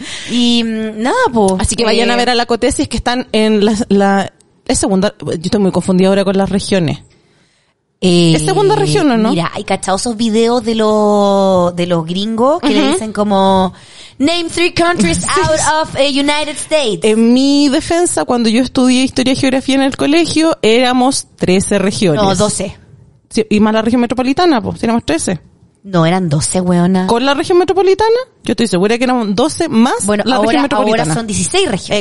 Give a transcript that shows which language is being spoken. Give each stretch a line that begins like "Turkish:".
Spanish: Y nada, pues. Así que vayan a ver a la Coté si es que están en la segunda. Yo estoy muy confundida ahora con las regiones. ¿Es segunda región o no? Mira, hay cachados esos videos de los gringos que le dicen como...
English: Name three countries out of the United States.
Spanish: En mi defensa, cuando yo estudié historia y geografía en el colegio, éramos 13 regiones. No, 12. Sí, y más la región metropolitana, pues, si éramos 13. No, eran 12, weona. ¿Con la región metropolitana? Yo estoy segura que eran 12 más bueno, la región metropolitana. Ahora son 16 regiones.